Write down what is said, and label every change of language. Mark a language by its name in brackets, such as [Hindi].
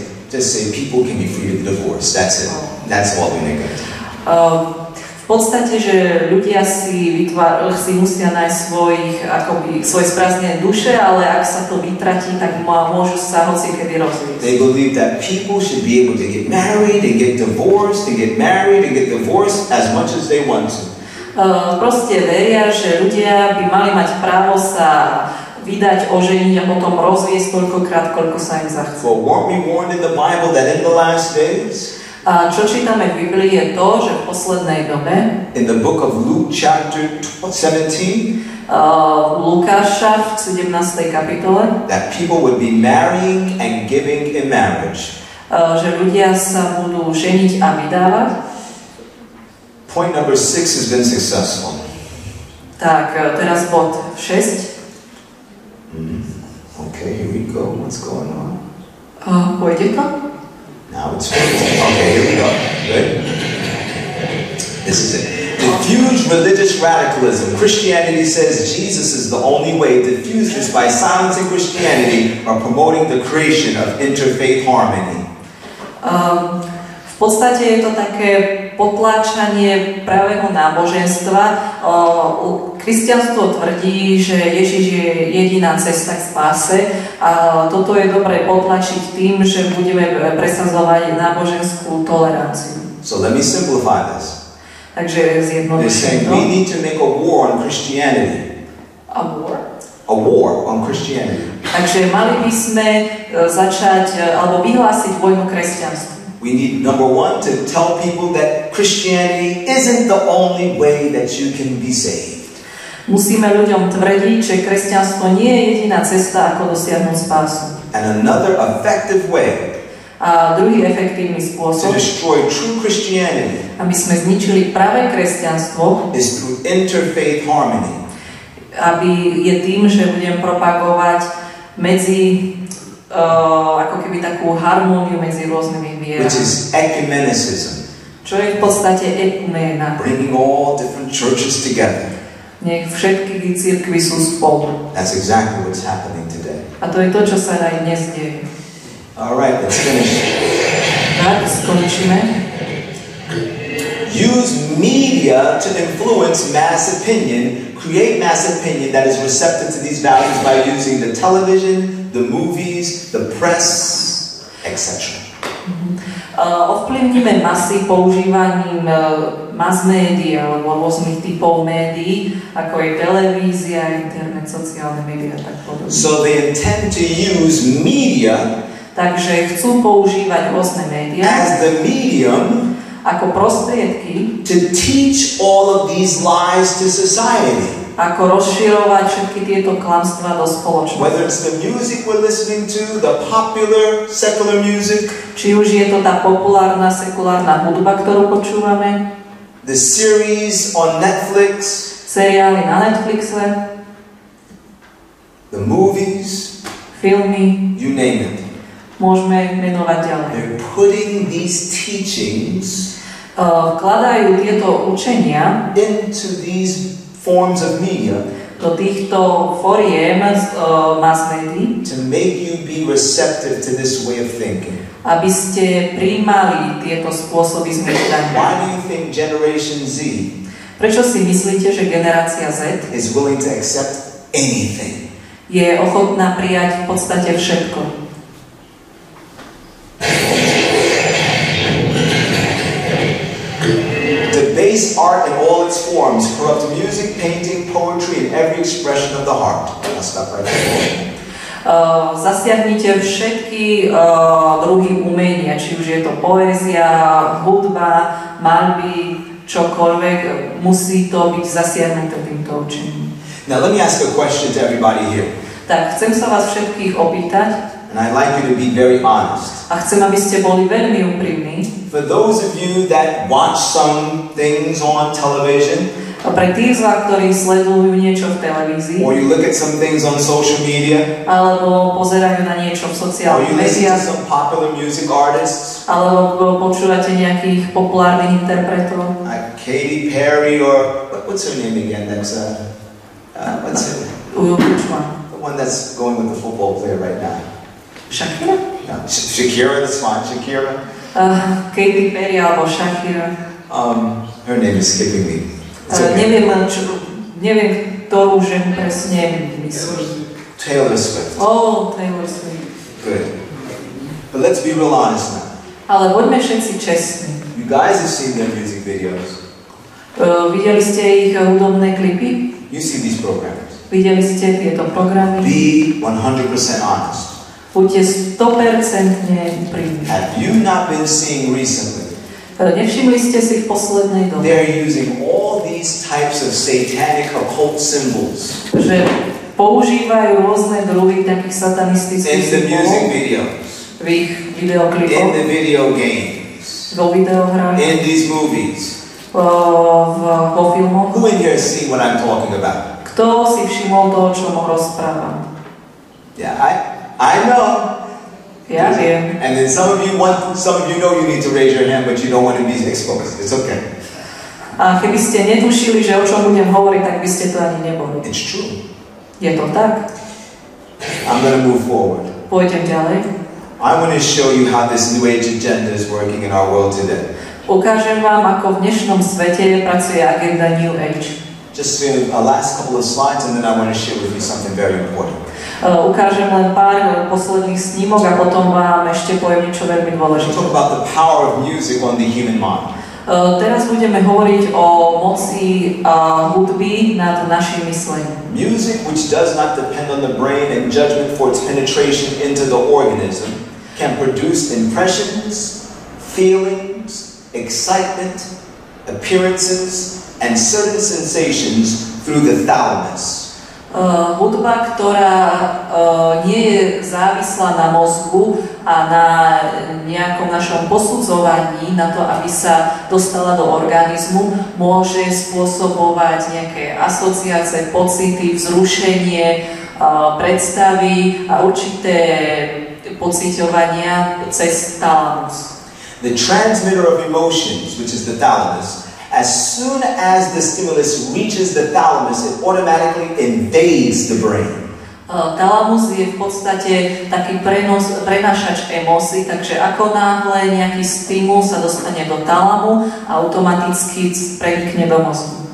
[English] Just say people can be free to divorce. That's it. That's all we need. [Slovak] V podstate, že ľudia si musia nájsť svoje sprázdnené duše, ale ak sa to vytratí, tak môžu sa hocikedy rozvíjsť. [English] They believe that people should be able to get married and get divorced and get married and get divorced as much as they want to. [Slovak] Proste veria, že ľudia by mali mať právo sa vydať, oženiť a potom rozviesť toľkokrát, koľko sa im zachce. [English] For what we warned in the Bible that in the last days, [Slovak] a čo čítame v Biblii je to, že v poslednej dobe [English] in the book of Luke chapter 17 [Slovak] Lukáša v 17. kapitole [English] that people would be marrying and giving in marriage. [Slovak] Že ľudia sa budú ženiť a vydávať. [English] Point number 6 has been successful. [Slovak] Tak, teraz bod 6. [English] Okay, here we go. What's going on? [Slovak] Pôjde to? [English] Now it's finished. Okay, here we go. Good? This is it. Diffuse religious radicalism. Christianity says Jesus is the only way. Diffuse this by silencing Christianity or promoting the creation of interfaith harmony. [Slovak] V podstate je to také potláčanie pravého náboženstva. Kresťanstvo tvrdí, že Ježiš je jediná cesta k spáse a toto je dobre potlačiť tým, že budeme presadzovať náboženskú toleranciu. [English] So let me simplify this. [Slovak] Takže zjednoduším [English] to. We need to make a war on Christianity. A war? A war on Christianity. [Slovak] Takže mali by sme začať alebo vyhlásiť vojnu kresťanstvu. [English] We need, number one, to tell people that Christianity isn't the only way that you can be saved. [Slovak] Musíme ľuďom tvrdiť, že kresťanstvo nie je jediná cesta, ako dosiahnuť spásu. [English] And another effective way. [Slovak] A druhý efektívny spôsob. [English] To destroy true Christianity. [Slovak] Aby sme zničili pravé kresťanstvo. [English] Is through interfaith harmony. [Slovak] Aby je tým, že budem propagovať medzi ako keby takú harmóniu medzi rôznymi vierami. [English] Which is ecumenicism. [Slovak] Čo je v podstate ekumena. [English] Bringing all different churches together. [Slovak] Nech všetky cirkvi sú spolu. [English] That's exactly what's happening today. [Slovak] A to je to, čo sa aj dnes deje. [English] All right, let's finish. [Slovak] Tak, skončíme. [English] Use media to influence mass opinion. Create mass opinion that is receptive to these values by using the television, the movies, the press, etc. [Slovak] Ovplyvníme masy používaním mass media alebo rôznych typov médií, ako je televízia, internet, sociálne médiá a tak podobne. [English] So they intend to use media. [Slovak] Takže chcú používať rôzne médiá [English] as the medium [Slovak] ako prostriedky [English] to teach all of these lies to society. [Slovak] Ako rozširovať všetky tieto klamstvá do spoločnosti. [English] Whether it's the music we're listening to, the popular secular music. [Slovak] Či už je to tá populárna sekulárna hudba, ktorú počúvame. [English] The series on Netflix. [Slovak] Seriály na Netflixe. [English] The movies. [Slovak] Filmy. [English] You name it. [Slovak] Môžeme menovať ďalej. [English] They're putting these teachings [Slovak] vkladajú tieto učenia [English] into these forms of media [Slovak] do týchto foriem mass media [English] to make you be receptive to this way of thinking. [Slovak] Aby ste prijímali tieto spôsoby zmýšľania. [English] Why do you think Generation Z [Slovak] prečo si myslíte, že generácia Z [English] is willing to accept anything? [Slovak] Je ochotná prijať v podstate všetko. [English] Art in all its forms, corrupt music, painting, poetry, and every expression of the heart. I'll stop right there. [Slovak] Zasiahnite všetky druhy umenia, či už je to poézia, hudba, malby, čokoľvek, musí to byť zasiahnuté týmto učením. [English] Now let me ask a question to everybody here. [Slovak] Tak, chcem sa vás všetkých opýtať. [English] And I'd like you to be very honest. [Slovak] A chcem, aby ste boli veľmi úprimní. [English] For those of you that watch some things on television, [Slovak] pre tých z vás, ktorí sledujú niečo v televízii, [English] or you look at some things on social media, [Slovak] alebo pozerajú na niečo v sociálnych médiách, [English] or you listen to some popular music artists, [Slovak] alebo počúvate nejakých populárnych interpretov, [English] like Katy Perry or what's her name again? That's what's her name? Which one? The one that's going with the football player right now. Shakira. No, Shakira. That's fine. Shakira. [Slovak] Katy Perry alebo Shakira. [English] Her name is skipping me. [Slovak] Neviem, neviem kto už je presne myslí. [English] Taylor Swift. Oh, Taylor Swift. Good. But let's be real honest now. [Slovak] Ale buďme všetci čestní. [English] You guys have seen their music videos. [Slovak] Videli ste ich hudobné klipy? [English] You see these programs. [Slovak] Videli ste tieto programy? [English] Be 100% honest. [Slovak] Buďte 100% úprimní. [English] Have you not been seeing recently? [Slovak] Nevšimli ste si v poslednej dobe? [English] They're using all these types of satanic occult symbols. [Slovak] Že používajú rôzne druhy takých satanistických symbolov. [English] In the music videos. [Slovak] V ich videoklipoch. [English] In the video games. [Slovak] Vo videohrách. [English] In these movies. [Slovak] Vo filmoch. [English] Who in here has seen what I'm talking about? [Slovak] Kto si všimol toho, o čom rozprávam? [English] Yeah, I know. [Slovak] Ja viem. [English] And then some of you know you need to raise your hand, but you don't want to be exposed. It's okay. [Slovak] A keby ste netušili, že o čom budem hovoriť, tak by ste to ani neboli. [English] It's true. [Slovak] Je to tak? [English] I'm going to move forward. [Slovak] Pôjdem ďalej. [English] I want to show you how this new age agenda is working in our world today. [Slovak] Ukážem vám, ako v dnešnom svete pracuje agenda New Age. [English] Just a last couple of slides and then I want to share with you something very important. [Slovak] Ukážem len pár posledných snímok a potom vám ešte poviem niečo veľmi dôležité. [English] Talk about the power of music on the human mind. [Slovak] Teraz budeme hovoriť o moci hudby nad našim myslením. [English] Music which does not depend on the brain and judgment for its penetration into the organism can produce impressions, feelings, excitement, appearances and certain sensations through the thalamus. [Slovak] Hudba, ktorá nie je závislá na mozgu a na nejakom našom posudzovaní, na to, aby sa dostala do organizmu, môže spôsobovať nejaké asociácie, pocity, vzrušenie, predstavy a určité pociťovania cez thalamus. [English] The transmitter of emotions, which is the thalamus, as soon as the stimulus reaches the thalamus, it automatically invades the brain. [Slovak] Thalamus je v podstate taký prenášač emócií, takže ako náhle nejaký stimul sa dostane do thalamu, automaticky prenikne do mozgu.